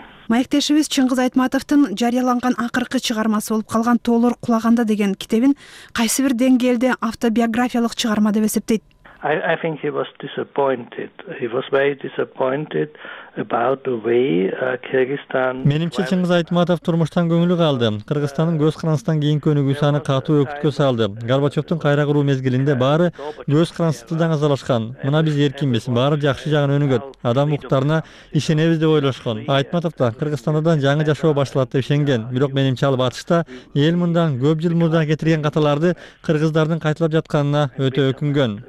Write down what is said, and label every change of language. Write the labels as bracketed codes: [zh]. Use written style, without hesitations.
[ky] Маектешибиз Чыңгыз Айтматовдун жарыяланган акыркы чыгармасы болуп калган Тоолор кулаганда деген китебин кайсы бир деңгээлде автобиографиялык чыгарма деп эсептейт. [en] I think he was disappointed. He was very disappointed about the way Kyrgyzstan. [ky] Менимче Чыңгыз Айтматов турмуштан көңүл калды. Кыргызстандын көз карандысынан кийинки өнүгүү саны катуу өкүткө салды. Горбачевдин кайра куруу мезгилинде баары көз карандысыдан азалашкан. Мына биз эркинбиз, баары жакшы жагын өнүгөт. Адам укуктарына ишенебиз деп ойлошкон. Айтматов да Кыргызстандан жаңы жашоо башталат деп ишенген. Бирок менимче ал батышта эл мындан көп жыл мурда кетирген каталарды кыргыздардын кайталап жатканына өтө өкүнгөн.